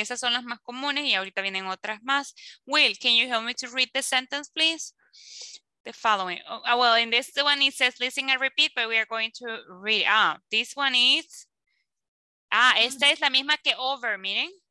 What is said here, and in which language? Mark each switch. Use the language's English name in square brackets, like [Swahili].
[Spanish] Esas son las más comunes y ahorita vienen otras más. [English] Will, can you help me to read the sentence, please? The following. Oh, well, in this one, it says listen and repeat, but we are going to read. Ah, this one is... [Spanish] Ah, esta es la misma que over, miren.